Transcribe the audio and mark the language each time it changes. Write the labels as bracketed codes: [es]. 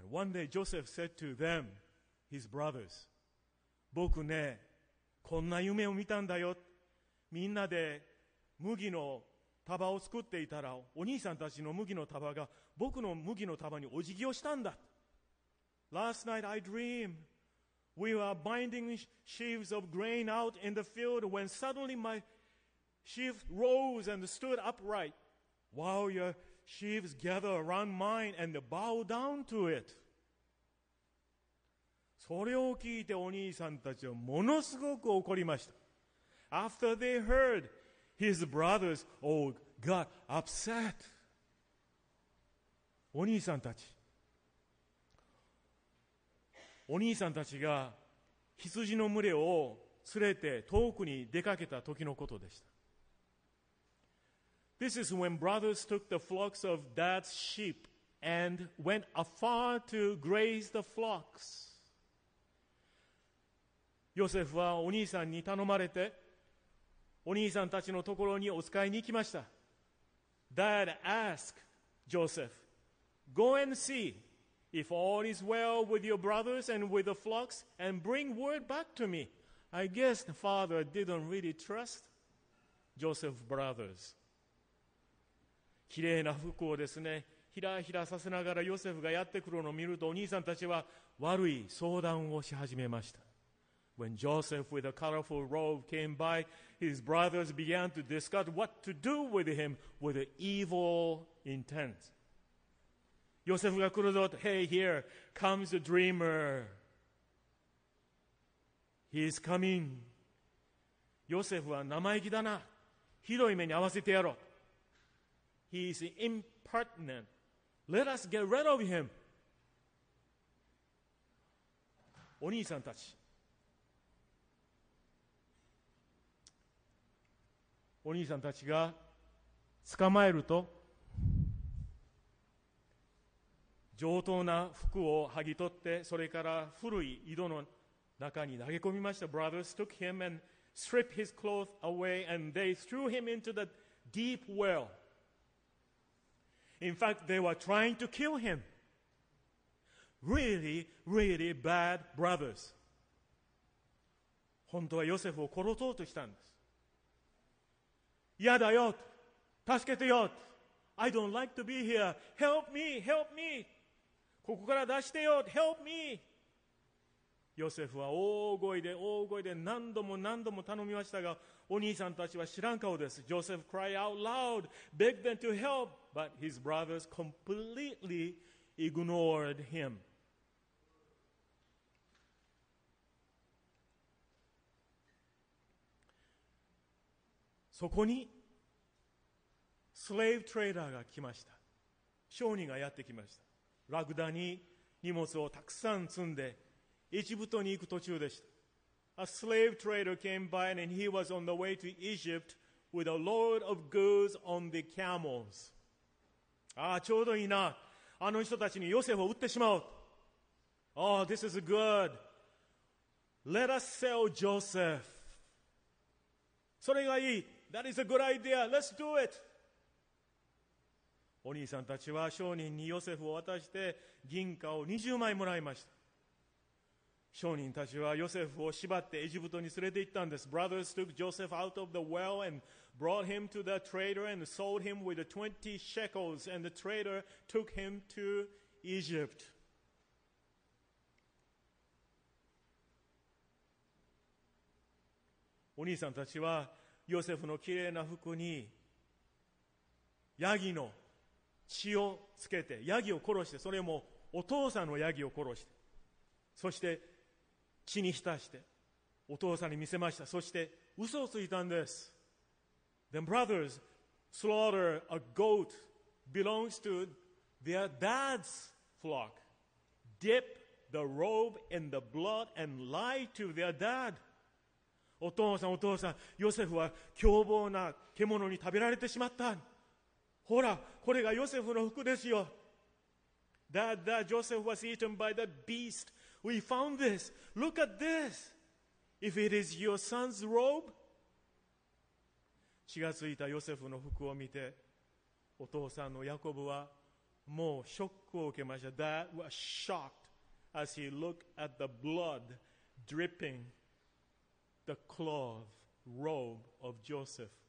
[en] And one day Joseph said to them, his brothers, [ja] 僕ね、こんな夢を見たんだよ。みんなで麦の束を作っていたら、お兄さんたちの麦の束が僕の麦の束にお辞儀をしたんだ。 [en] Last night I dreamed. We were binding sheaves of grain out in the field when suddenly my sheaf rose and stood upright. While your sheaves gather around mine and bow down to it. [ja] それを聞いてお兄さんたちはものすごく怒りました。 [en] After they heard, his brothers all got upset. [ja] お兄さんたち。お兄さんたちが羊の群れを連れて遠くに出かけた時のことでした。 [en] This is when brothers took the flocks of dad's sheep and went afar to graze the flocks. [ja] ヨセフはお兄さんに頼まれて、お兄さんたちのところにお使いに行きました。 [en] Dad asked Joseph, Go and see if all is well with your brothers and with the flocks and bring word back to me. I guess the father didn't really trust Joseph's brothers. [ja] きれいな服をですね、ひらひらさせながらヨセフがやってくるのを見ると、お兄さんたちは悪い相談をし始めました。 [en] When Joseph with a colorful robe came by, his brothers began to discuss what to do with him with evil intent. [ja] ヨセフが来るぞ。 [en] Hey, here comes the dreamer. He's coming. [ja] ヨセフは生意気だな。ひどい目に遭わせてやろう。 [en] He's impertinent. Let us get rid of him. [ja] お兄さんたち。お兄さんたちが捕まえると、上等な服を剥ぎ取って、それから古い井戸の中に投げ込みました。 [en] Brothers took him and stripped his clothes away and they threw him into the deep well. In fact, they were trying to kill him. Really, really bad brothers. [ja] 本当はヨセフを殺そうとしたんです。嫌だよ、助けてよ。 [en] I don't like to be here. Help me, help me. [ja] ここから出してよ。 [en] Help me. [ja] ヨセフは大声で大声で何度も何度も頼みましたが、お兄さんたちは知らん顔です。 [en] Joseph cried out loud, begged them to help, but his brothers completely ignored him. [ja] そこにスレイブトレーダーが来ました。商人がやってきました。ラクダに荷物をたくさん積んでエジプトに行く途中でした。 [en] A slave trader came by and he was on the way to Egypt with a load of goods on the camels. [ja] ああちょうどいいな、あの人たちにヨセフを売ってしまおう。 [en] Oh, this is good. Let us sell Joseph. [ja] それがいい、 [en] That is a good idea. Let's do it. [ja] お兄さんたちは商人にヨセフを渡して銀貨を20枚もらいました。商人たちはヨセフを縛ってエジプトに連れて行ったんです。 [en] Brothers took Joseph out of the well and brought him to the trader and sold him with 20 shekels and the trader took him to Egypt. [ja] お兄さんたちはヨセフのきれいな服にヤギの血をつけてヤギを殺して、それもお父さんのヤギを殺して、そして血に浸してお父さんに見せました。そして嘘をついたんです。 [en] The brothers slaughter a goat belongs to their dad's flock, dip the robe in the blood and lie to their dad. [ja] お父さん、お父さん、ヨセフは凶暴な獣に食べられてしまった。ほら、これがヨセフの服ですよ。 [en] Dad, Joseph was eaten by the beast. We found this. Look at this. If it is your son's robe. [ja] 血がついたヨセフの服を見て、お父さんのヤコブはもうショックを受けました。 [en] Dad was shocked as he looked at the blood dripping the cloth robe of Joseph.